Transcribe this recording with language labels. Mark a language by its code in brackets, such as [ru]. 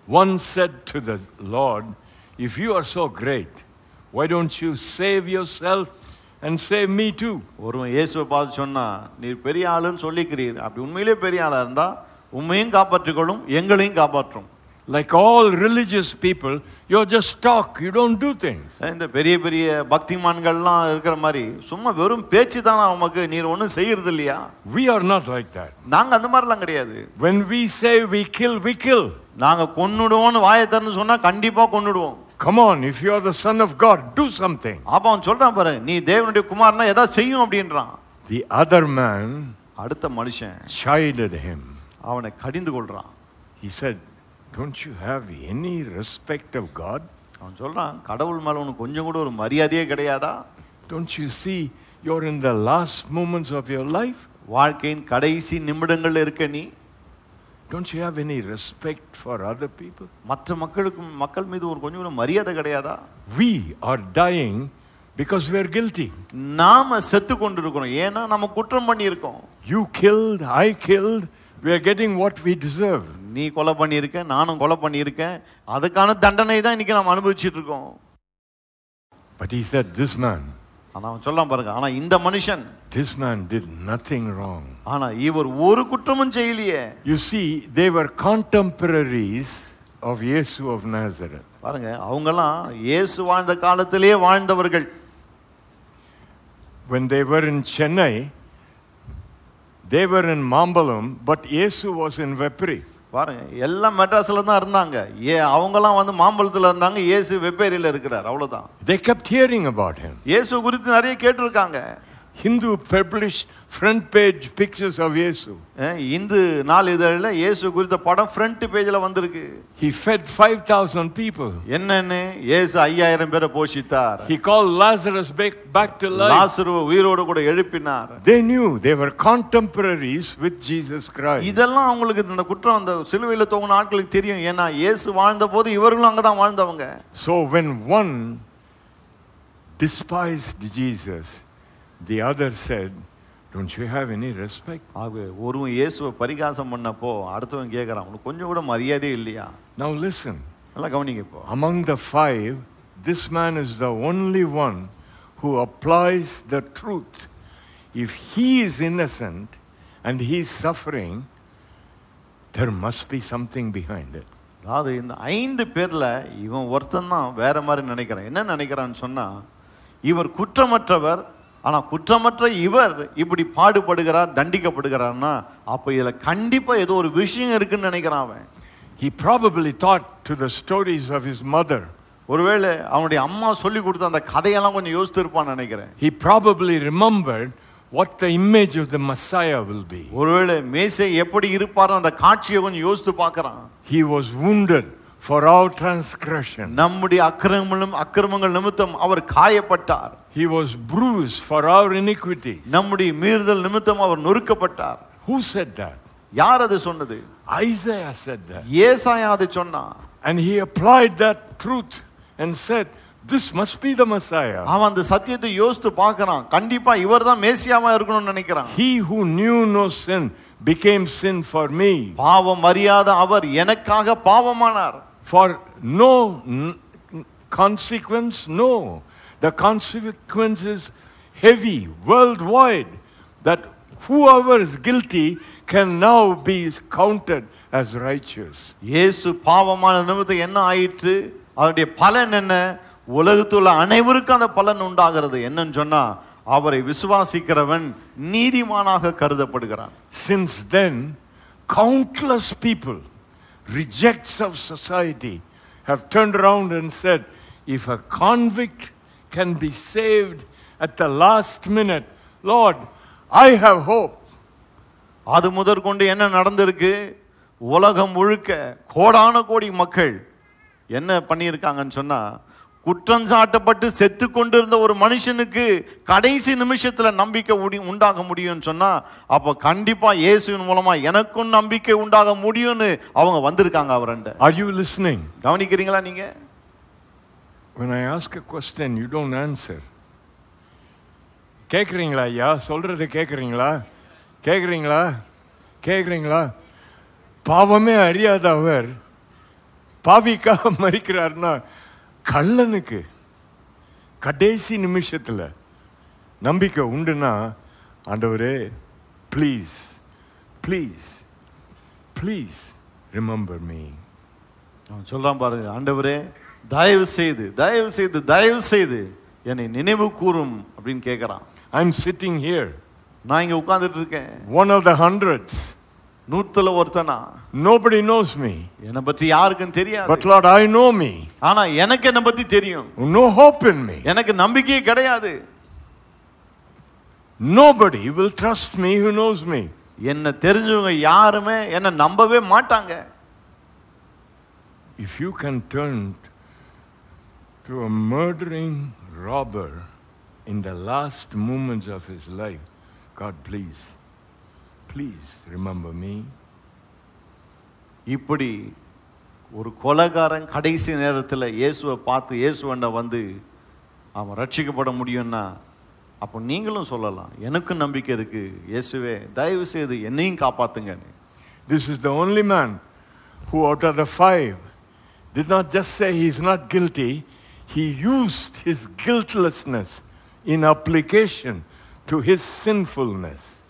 [en] One said to the Lord, if you are so great, why don't you save yourself and save me too? [ta] ஒருவன் இயேசுவை பார்த்து சொன்னா, நீர் பெரிய ஆளுன்னு சொல்லிக்கிறீர், அப்படி உண்மையிலே பெரிய ஆளா இருந்தா உண்மையும் காப்பாற்றிக்கொள்ளும், எங்களையும் காப்பாற்றும். [en] Like all religious people, you just talk, you don't do things. [ta] இந்த பெரிய பெரிய பக்திமான்கள் எல்லாம் இருக்கிற மாதிரி சும்மா வெறும் பேச்சு தான் நமக்கு, நீர் ஒன்னும் செய்யறது இல்லையா? [en] We are not like that. [ta] நாங்க அந்த மாதிரி எல்லாம் கிடையாது. [en] When we say we kill, we kill. [ta] நாங்க கொன்னுடுவோம்னு வாயை திறந்து சொன்னா கண்டிப்பா கொன்னுடுவோம். [en] Come on, if you are the Son of God, do something. [ta] அப்பன் சொல்றான் பாரு, நீ தேவனுடைய குமாரனா ஏதாவது செய்யும் அப்படின்றான். [en] The other man, [ta] அடுத்த மனுஷன், [en] chided him. [ta] அவனை கடிந்து கொள்றான். [en] He said, don't you have any respect of God? [ta] அவன் சொல்றான், கடவுள் மேல உனக்கு கொஞ்சம் கூட ஒரு மரியாதையே கிடையாதா? [en] Don't you see you're in the last moments of your life? [ta] வாழ்க்கையின் கடைசி நிமிடங்கள்ல இருக்க நீ. [en] Don't you have any respect for other people? [ta] மற்ற மக்களுக்கு மக்கள் மீது ஒரு கொஞ்சம் கூட மரியாதை கிடையாதா? [en] We are dying because we are guilty. [ta] நாம செத்து கொண்டிருக்கிறோம், ஏனா நாம குற்றம் பண்ணியிருக்கோம். [en] You killed, I killed, we are getting what we deserve. [ta] நீ கொலை பண்ணியிருக்க, நானும் கொலை பண்ணியிருக்கேன், அதுக்கான தண்டனை தான் இன்னைக்கு நாம் அனுபவிச்சுட்டு இருக்கோம். [en] But he said, this man, [ta] ஆனா சொல்லாம் பாருங்க, ஆனா இந்த மனுஷன், [en] this man did nothing wrong. [ta] ஆனா இவர் ஒரு குற்றமும் செய்யலையே. [en] You see, they were contemporaries of Yesu of Nazareth. [ta] பாருங்க, அவங்கலாம் இயேசு வாழ்ந்த காலத்திலே வாழ்ந்தவர்கள். [en] When they were in Chennai, they were in Mambalam, but Yesu was in Vepri. [ta] பாருங்க, எல்லாம் மெட்ராஸ்ல தான் இருந்தாங்க. ஏ அவங்கலாம் வந்து மாம்பழத்துல இருந்தாங்க, இயேசு வெப்பேரியில இருக்கிறார், அவ்வளவுதான். [en] They kept hearing about him. [ta] இயேசு குறித்து நிறைய கேட்டிருக்காங்க. [en] Hindu published front page pictures of Yesu. [ta] Hindu நாளிதழில இயேசு குறித்த படம் ஃப்ரண்ட் பேஜ்ல வந்திருக்கு. [en] He fed 5000 people. [ta] என்னன்னு இயேசு 5000 பேரை போஷித்தார். [en] He called Lazarus back to life. [ta] லாசருவை உயிரோடு கூட எழுப்பினார். [en] They knew they were contemporaries with Jesus Christ. [ta] இதெல்லாம் அவங்களுக்கு இந்த குற்றம் அந்த சிலுவையில தொங்கின ஆட்களுக்கு தெரியும். ஏன்னா இயேசு வாழ்ந்த போது இவர்களும் அங்கதான் வாழ்ந்தவங்க. [en] So when one despised Jesus, the other said, don't you have any respect? [ta] ஆகவே ஒரு இயேசுவை பரிகாசம் பண்ணப்போ அடுத்தவன் கேக்குறான், உனக்கு கொஞ்சம் கூட மரியாதை இல்லையா? [en] Now listen. [ta] நல்லா கவனிங்க இப்போ. [en] Among the five, this man is the only one who applies the truth. If he is innocent and he is suffering, there must be something behind it. [ta] அதாவது இந்த ஐந்து பேர்ல இவன் ஒருத்தன் தான் வேற மாதிரி நினைக்கிறான். என்ன நினைக்கிறான்னு சொன்னா, இவர் குற்றமற்றவர், ஆனா குற்றமற்ற இவர் இப்படி பாடுபடுகிறார், தண்டிக்கப்படுகிறார்னா அப்ப இதுல கண்டிப்பா ஏதோ ஒரு விஷயம் இருக்குன்னு நினைக்கிறான் அவன். [en] He probably thought to the stories of his mother. [ta] ஒருவேளை அவனுடைய அம்மா சொல்லி கொடுத்த அந்த கதையெல்லாம் கொஞ்சம் யோசித்திருப்பான் நினைக்கிறேன். [en] He probably remembered what the image of the Messiah will be. [ta] ஒருவேளை மேசே எப்படி இருப்பார் அந்த காட்சியை கொஞ்சம் யோசித்து பார்க்கறான். [en] He was wounded for our transgression. [ta] நம்முடைய அக்கிரமங்களும் அக்கிரமங்கள் நிமித்தம் அவர் காயப்பட்டார். [en] He was bruised for our iniquity. [ta] நம்முடைய மீறுதல் நிமித்தம் அவர் நொறுக்கப்பட்டார். [en] Who said that? [ta] யார் அது சொன்னது? [en] Isaiah said that. [ta] ஏசாயா அது சொன்னான். [en] And he applied that truth and said, this must be the Messiah. [ta] அவன் அந்த சத்தியத்தை யோசித்து பார்க்கறான், கண்டிப்பா இவர்தான் மேசியாவா இருக்கணும்னு நினைக்கிறான். [en] He who knew no sin became sin for me. [ta] பாவம் அறியாத அவர் எனக்காக பாவமானார். [en] For no consequence, no. The consequence is heavy, worldwide, that whoever is guilty can now be counted as righteous. [ta] இயேசு பாவமான நிமித்தம் என்ன ஆயிற்று, அவருடைய பலன் என்ன, உலகத்துள்ள அனைவருக்கும் அந்த பலன் உண்டாகிறது என்னன்னு சொன்னா, அவரை விசுவாசிக்கிறவன் நீதிமானாக கருதப்படுகிறான். [en] Since then, countless people, rejects of society, have turned around and said, if a convict can be saved at the last minute, Lord, I have hope. [ta] அது முதற் கொண்டு என்ன நடந்திருக்கு, உலகம் முழுக்க கோடான கோடி மக்கள் என்ன பண்ணியிருக்காங்கன்னு சொன்னா, குற்றம் சாட்டப்பட்டு செத்து கொண்டிருந்த ஒரு மனுஷனுக்கு கடைசி நிமிஷத்துல நம்பிக்கை உண்டாக முடியும்னு சொன்னா, அப்ப கண்டிப்பா இயேசுவின் மூலமா எனக்கும் நம்பிக்கை உண்டாக முடியும்னு அவங்க வந்திருக்காங்க. அவரண்ட, [en] are you listening, [ta] கவனிக்கிறீங்களா நீங்க? [en] When I ask a question, you don't answer. [ta] கேக்குறீங்களா ஐயா, சொல்றது கேக்குறீங்களா, கேக்குறீங்களா, கேக்குறீங்களா? பாவமே அறியாத அவர் பாவிக்காக மறிக்கிறார்னா, கள்ளனுக்கு கடைசி நிமிஷத்தில் நம்பிக்கை உண்டுனா, ஆண்டவரே [en] Please please please remember me. [ta] அவன் சொல்கிறான் பாருங்க, ஆண்டவரே தயவு செய்து தயவு செய்து தயவு செய்து என்னை நினைவு கூறும் அப்படின்னு கேட்குறான். [en] I am sitting here, [ta] நான் இங்கே உட்கார்ந்துட்டு இருக்கேன். [en] one of the hundreds, [ta] நூத்துல ஒருத்தனா. [en] Nobody knows me, [ta] என்ன பத்தி யாருக்கும் தெரியாது. [en] But Lord, I know me, [ta] ஆனா எனக்கு என்ன பத்தி தெரியும். [en] No hope in me, [ta] எனக்கு நம்பிக்கையே கிடையாது. [en] Nobody will trust me who knows me, [ta] என்ன தெரிஞ்சவங்க யாருமே என்ன நம்பவே மாட்டாங்க. [en] If you can turn to a murdering robber in the last moments of his life, God, please, please remember me. [ta] இப்படி ஒரு கொலைகாரன் கடைசி நேரத்தில் இயேசுவை பார்த்து இயேசுவண்ட வந்து அவன் ரட்சிக்கப்பட முடியும்னா, அப்போ நீங்களும் சொல்லலாம், எனக்கும் நம்பிக்கை இருக்கு இயேசுவே, தயவு செய்து என்னையும் காப்பாத்துங்கன்னு. [en] This is the only man who out of the five did not just say he is not guilty, he used his guiltlessness in application to his sinfulness.